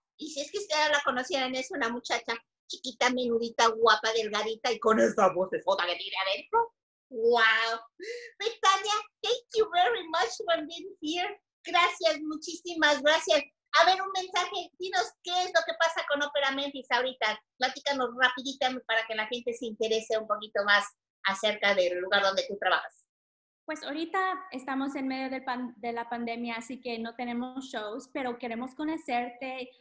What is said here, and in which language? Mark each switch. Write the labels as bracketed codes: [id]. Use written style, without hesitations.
[es] Y si es que ustedes la conocieran, es una muchacha chiquita, menudita, guapa, delgadita, y con esa voz de foda que tiene adentro. ¡Wow! [en] Betania, thank you very much for being here. [es] Gracias, muchísimas gracias. A ver, un mensaje, dinos qué es lo que pasa con Opera Memphis ahorita. Platícanos rapidita para que la gente se interese un poquito más acerca del lugar donde tú trabajas. Pues ahorita estamos en medio de la pandemia, así que no tenemos shows, pero queremos conocerte.